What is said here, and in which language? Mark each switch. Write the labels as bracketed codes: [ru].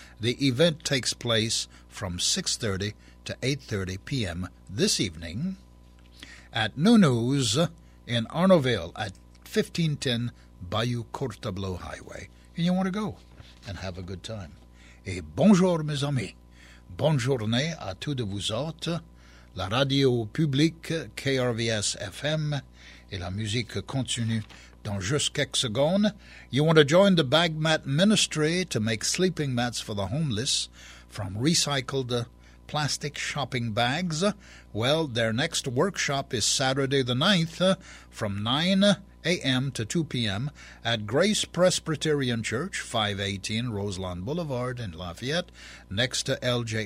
[en] The event takes place from 6:30 to 8:30 p.m. this evening at Nunu's in Arnaville at 1510 Bayou Courtablot Highway. And you want to go and have a good time. [fr] Et bonjour, mes amis. Bonne journée à tous de vous autres. La radio publique KRVS-FM et la musique continue dans juste quelques secondes. [en] You want to join the Bag Mat Ministry to make sleeping mats for the homeless from recycled plastic shopping bags? Well, their next workshop is Saturday the 9th from 9 a.m. to 2 p.m. at Grace Presbyterian Church, 518 Roselawn Boulevard in Lafayette, next to L.J.